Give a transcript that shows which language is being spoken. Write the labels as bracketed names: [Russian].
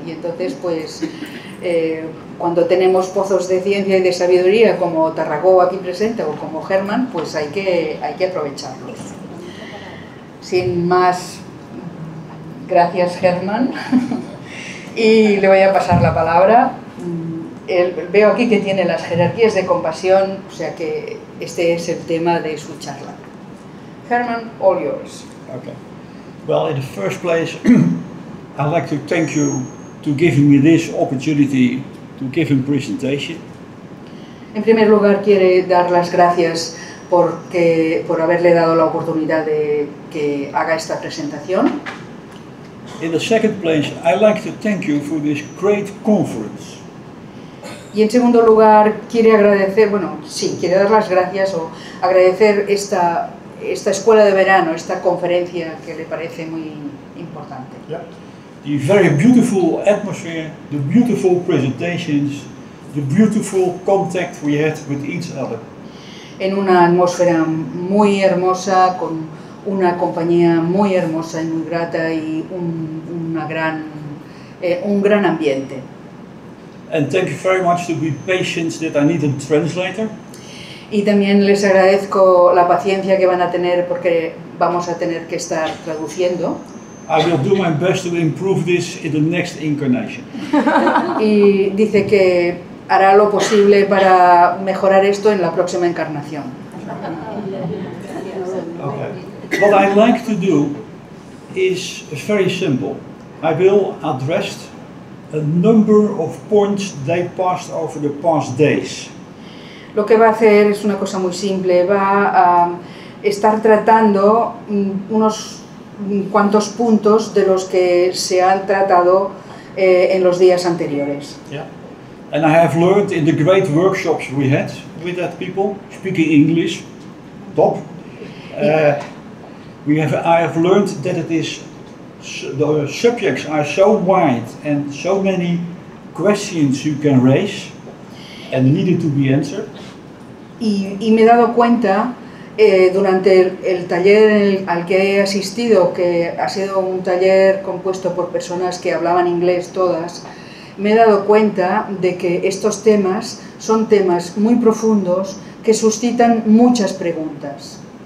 [Spanish] Y entonces, pues, cuando tenemos pozos de ciencia y de sabiduría, como Tarragó aquí presente o como Herman, pues hay que aprovecharlos. Sin más. Gracias, Herman. Y le voy a pasar la palabra. Veo aquí que tiene las jerarquías de compasión, o sea que este es el tema de su charla. [English] Herman, all yours. Okay. Well, in the first place, I'd like to thank you to giving me this opportunity to give a presentation. [Spanish] En primer lugar, quiere dar las gracias por haberle dado la oportunidad de que haga esta presentación. [English] In the second place, I'd like to thank you for this great conference. [Spanish] Y en segundo lugar, quiere agradecer, bueno, sí, quiere dar las gracias o agradecer esta escuela de verano, esta conferencia que le parece muy importante. [English] Yeah. The very beautiful atmosphere, the beautiful presentations, the beautiful contact we had with each other. [Spanish] en una atmósfera muy hermosa, con una compañía muy hermosa y muy grata y un gran ambiente. [English] And thank you very much to be patient that I need a translator. [Spanish] Y también les agradezco la paciencia que van a tener porque vamos a tener que estar traduciendo. [English] I will do my best to improve this in the next incarnation. [Spanish] Y dice que hará lo posible para mejorar esto en la próxima encarnación. [English] Okay. What I like to do is very simple. I will address a number of points they passed over the past days. [Spanish] Lo que va a hacer es una cosa muy simple. Va a estar tratando unos cuantos puntos de los que se han tratado en los días anteriores. [English] Yeah. And I have learned in the great workshops we had with that people speaking English, top. I have learned that it is the subjects are so wide and so many questions you can raise and needed to be answered. [Spanish] Y me he dado cuenta durante el taller al que he asistido, que ha sido un taller compuesto por personas que hablaban inglés todas, me he dado cuenta de que estos temas son temas muy profundos que suscitan muchas preguntas.